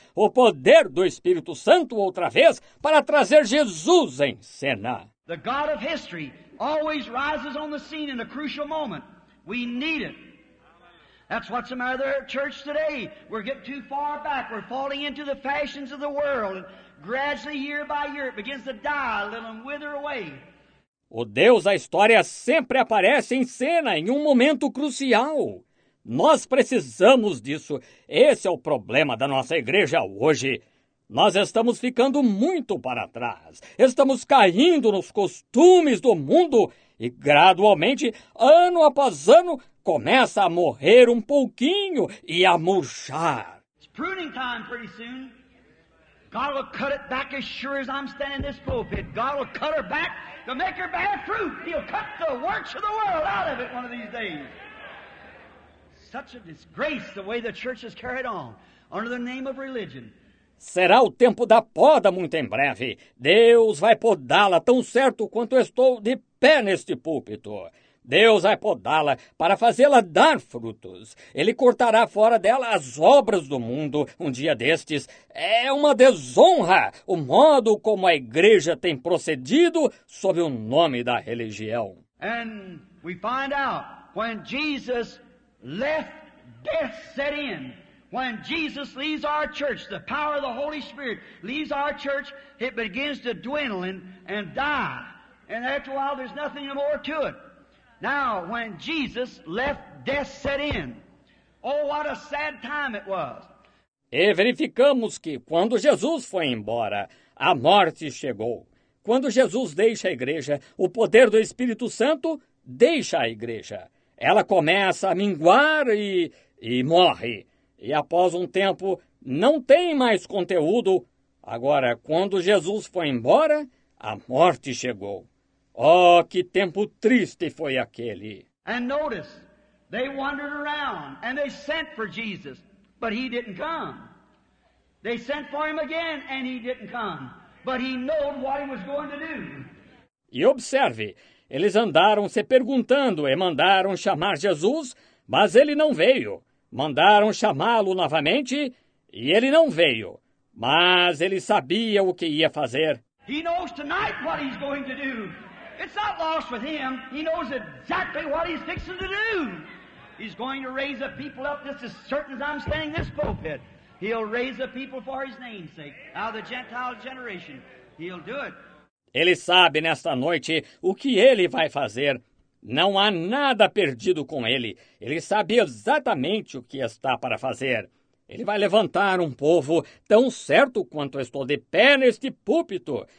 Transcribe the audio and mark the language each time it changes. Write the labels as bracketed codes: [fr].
[pt] O poder do Espírito Santo outra vez para trazer Jesus em cena. [en] The God of history always rises on the scene in a crucial moment. We need it. That's what's the matter at church today. We're getting too far back. We're falling into the fashions of the world. Gradually, year by year, it begins to die a little and wither away. [pt] O Deus da história sempre aparece em cena em um momento crucial. Nós precisamos disso. Esse é o problema da nossa igreja hoje. Nós estamos ficando muito para trás. Estamos caindo nos costumes do mundo e gradualmente, ano após ano, começa a morrer um pouquinho e a murchar. [en] It's pruning time pretty soon. God will cut it back as sure as I'm standing in this pulpit. God will cut her back to make her bear fruit. He'll cut the works of the world out of it one of these days. Such a disgrace the way the church has carried on under the name of religion. [pt] Será o tempo da poda muito em breve. Deus vai podá-la tão certo quanto estou de pé neste púlpito. Deus vai podá-la para fazê-la dar frutos. Ele cortará fora dela as obras do mundo um dia destes. É uma desonra o modo como a igreja tem procedido sob o nome da religião. [en] And we find out when Jesus left death set in. When Jesus leaves our church, the power of the Holy Spirit leaves our church, it begins to dwindle and die. And after a while, there's nothing more to it. Now, when Jesus left, death set in. Oh, what a sad time it was. [pt] E verificamos que quando Jesus foi embora, a morte chegou. Quando Jesus deixa a igreja, o poder do Espírito Santo deixa a igreja. Ela começa a minguar e morre. E após um tempo, não tem mais conteúdo. Agora, quando Jesus foi embora, a morte chegou. Oh, que tempo triste foi aquele. [en] And notice, they wandered around and they sent for Jesus, but he didn't come. They sent for him again and he didn't come, but he knew what he was going to do. [pt] E observe, eles andaram se perguntando e mandaram chamar Jesus, mas ele não veio. Mandaram chamá-lo novamente e ele não veio. Mas ele sabia o que ia fazer. [en] He knows tonight what he's going to do. It's not lost with him. He knows exactly what he's fixing to do. He's going to raise a people up just as certain as I'm standing this pulpit. He'll raise a people for his name's sake. Out of the Gentile generation. He'll do it. [pt] Ele sabe nesta noite o que ele vai fazer. Não há nada perdido com ele. Ele sabe exatamente o que está para fazer. Ele vai levantar um povo tão certo quanto estou de pé neste púlpito.